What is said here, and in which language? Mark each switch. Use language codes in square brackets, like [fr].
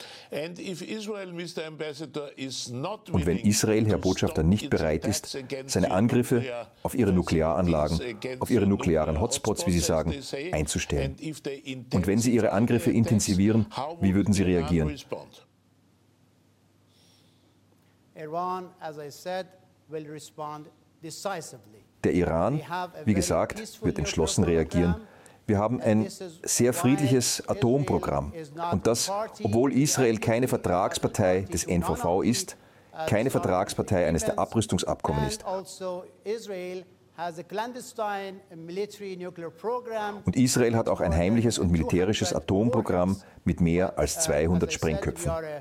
[de] Und wenn Israel, Herr Botschafter, nicht bereit ist, seine Angriffe auf ihre Nuklearanlagen, auf ihre nuklearen Hotspots, wie Sie sagen, einzustellen, und wenn Sie Ihre Angriffe intensivieren, wie würden Sie reagieren? [en] Iran, as I said, will respond decisively. [de] Der Iran, wie gesagt, wird entschlossen reagieren. Wir haben ein sehr friedliches Atomprogramm. Und das, obwohl Israel keine Vertragspartei des NVV ist, keine Vertragspartei eines der Abrüstungsabkommen ist. Und Israel hat auch ein heimliches und militärisches Atomprogramm mit mehr als 200 Sprengköpfen.